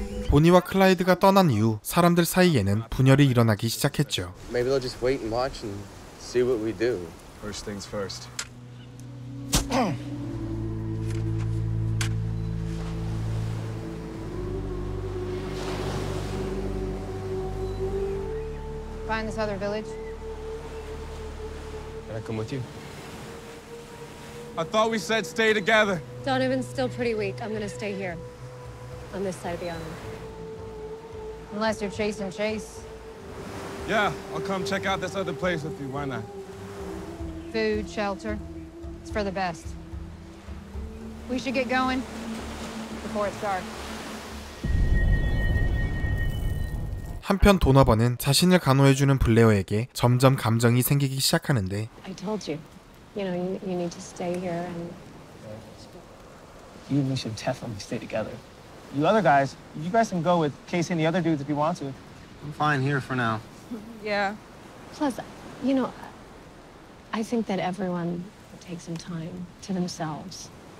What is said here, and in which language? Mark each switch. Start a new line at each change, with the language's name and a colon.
Korean: Bonnie와 클라이드가 떠난 이후 사람들 사이에는 분열이 일어나기 시작했죠.
English: Maybe they'll just wait and watch and see what we do. First things first. Find this other village. Can I come with you? I thought we said stay together. Donovan's still pretty weak. I'm gonna stay here. On this side of the island. Unless you're chasing Chase. Yeah, I'll come check out this other place with you. Why not? Food, shelter. It's for the best. We should get going before it's dark.
Korean: 한편 도너버는 자신을 간호해주는 블레어에게 점점 감정이 생기기 시작하는데
English: I told you. You know, you need to stay here and... You and me should definitely stay together. You other guys, you guys can go with Casey and the other dudes if you want to. I'm fine here for now. Yeah. Plus, you know, I think that everyone would take some time to themselves.